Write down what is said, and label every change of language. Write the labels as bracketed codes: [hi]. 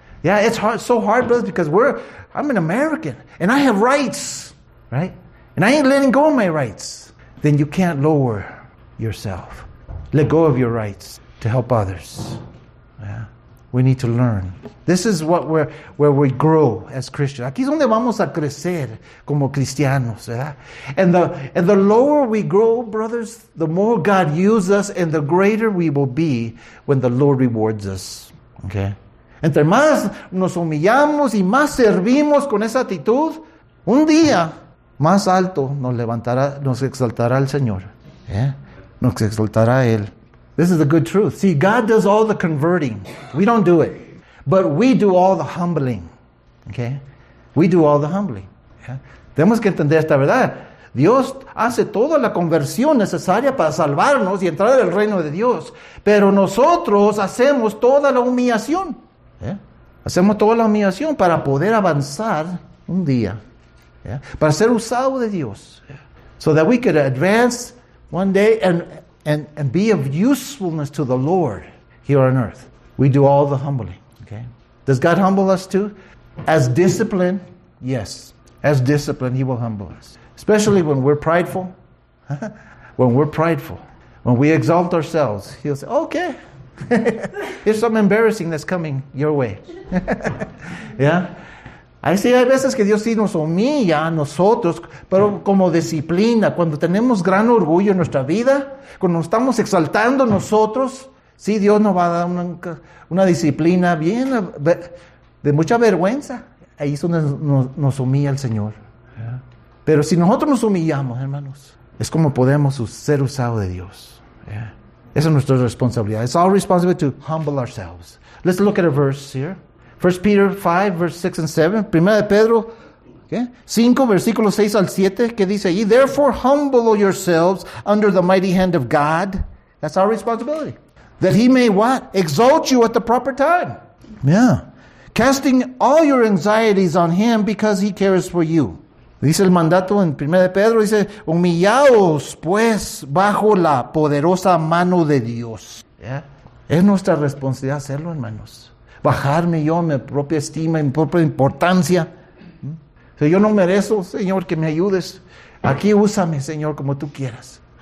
[en] Yeah, it's hard, so hard, brothers, because I'm an American and I have rights, right? And I ain't letting go of my rights. Then you can't lower yourself. Let go of your rights to help others. Yeah. We need to learn. This is what where we grow as Christians. [es] Aquí es donde vamos a crecer como cristianos, ¿verdad? [en] And the lower we grow, brothers, the more God uses us and the greater we will be when the Lord rewards us. Okay? [es] Entre más nos humillamos y más servimos con esa actitud, un día más alto nos exaltará el Señor. ¿Eh? Nos exaltará Él. [en] This is the good truth. See, God does all the converting. We don't do it. But we do all the humbling. Okay? We do all the humbling. Yeah? [es] Tenemos que entender esta verdad. Dios hace toda la conversión necesaria para salvarnos y entrar en el reino de Dios. Pero nosotros hacemos toda la humillación. Yeah? Hacemos toda la humillación para poder avanzar un día. Yeah? Para ser usado de Dios. Yeah? [en] So that we could advance one day and be of usefulness to the Lord here on earth. We do all the humbling. Okay? Does God humble us too? As discipline, yes. As discipline, He will humble us. Especially when we're prideful. When we're prideful. When we exalt ourselves, He'll say, okay. Here's something embarrassing that's coming your way. Yeah? [es] Ahí sí, hay veces que Dios sí nos humilla a nosotros, pero como disciplina, cuando tenemos gran orgullo en nuestra vida, cuando nos estamos exaltando nosotros, sí, Dios nos va a dar una disciplina bien de mucha vergüenza. Ahí es donde nos humilla el Señor. Pero si nosotros nos humillamos, hermanos, es como podemos ser usados de Dios. Esa es nuestra responsabilidad. [en] It's all responsible to humble ourselves. Let's look at a verse here. 1 Peter 5, verse 6 and 7. [es] Primera de Pedro, ¿qué? 5, versículos 6 al 7, que dice allí, [en] therefore humble yourselves under the mighty hand of God. That's our responsibility. That he may what? Exalt you at the proper time. Yeah. Casting all your anxieties on him because he cares for you. [es] Dice el mandato en Primera de Pedro, dice, humillaos pues bajo la poderosa mano de Dios. Yeah. Es nuestra responsabilidad hacerlo, hermanos. Bajarme yo, mi propia estima, mi propia importancia. Si yo no merezco, Señor, que me ayudes. Aquí úsame, Señor, como tú quieras.